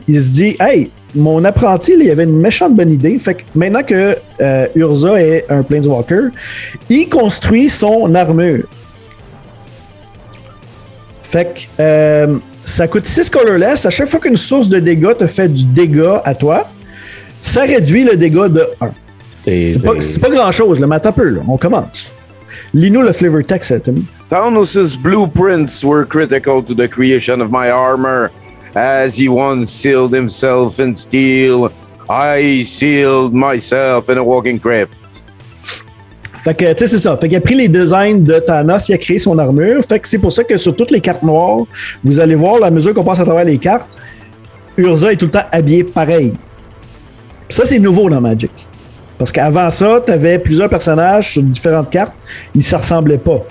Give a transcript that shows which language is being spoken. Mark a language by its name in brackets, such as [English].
[French] Il se dit « Hey, mon apprenti, il avait une méchante bonne idée. » Fait que maintenant que Urza est un Planeswalker, il construit son armure. Fait que ça coûte 6 colorless. À chaque fois qu'une source de dégâts te fait du dégât à toi, ça réduit le dégât de 1. C'est pas grand-chose, mais attends un peu, là. On commence. Lis-nous le flavor text, Tim. [English] Thanos' blueprints were critical to the creation of my armor. As he once sealed himself in steel, I sealed myself in a walking crypt. [French] Fait que, tu sais, c'est ça. Fait qu'il a pris les designs de Thanos, il a créé son armure. Fait que c'est pour ça que sur toutes les cartes noires, vous allez voir, à mesure qu'on passe à travers les cartes, Urza est tout le temps habillé pareil. Ça, c'est nouveau dans Magic. Parce qu'avant ça, t'avais plusieurs personnages sur différentes cartes, ils se ressemblaient pas.